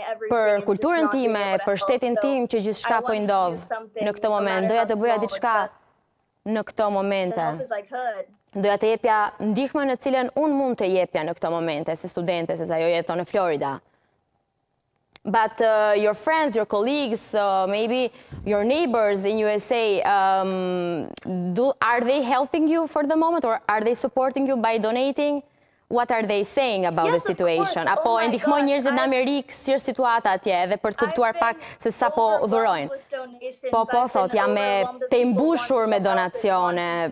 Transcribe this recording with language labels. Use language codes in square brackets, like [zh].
[sq] Për kulturën time, për shtetin tim që gjithçka po I ndodh në këtë moment, doja të bëja diçka në këto momente. Doja të jepja ndihmën në cilën unë mund të jepja në këto momente, si studente, sepse ajo jeton në Florida. [en] But your friends, your colleagues, maybe your neighbors in USA, are they helping you for the moment or are they supporting you by donating? What are they saying about the situation? [sq] Apo e ndihmojnë njerëzit në Amerikë si është situata atje edhe për të kuptuar pak se sa po dhurojnë. Po po thot, jam e të mbushur me donacione.